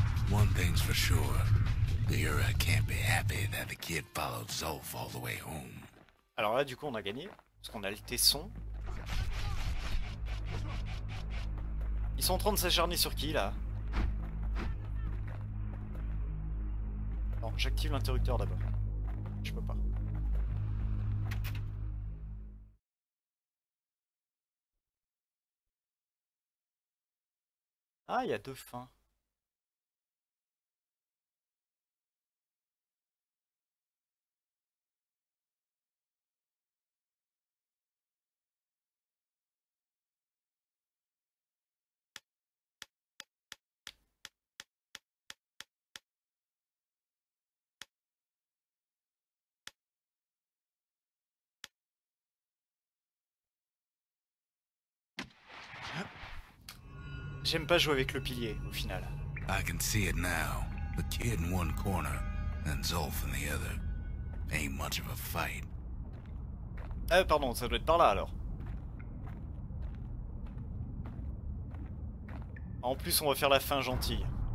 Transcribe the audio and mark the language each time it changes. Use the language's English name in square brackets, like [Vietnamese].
[English] One thing's for sure, the Ura can't be happy that the kid followed Zolf all the way home. [French] Alors là, du coup, on a gagné parce qu'on a le tesson. Ils sont en train de s'acharner sur qui là? Bon, j'active l'interrupteur d'abord. Je peux pas. Ah, il y a deux fins. J'aime pas jouer avec le pilier au final. [English] I can see it now. The kid in one corner and Zolf in the other. Ain't much of a fight. [French] Ah pardon, ça doit être par là alors. En plus, on va faire la fin gentille.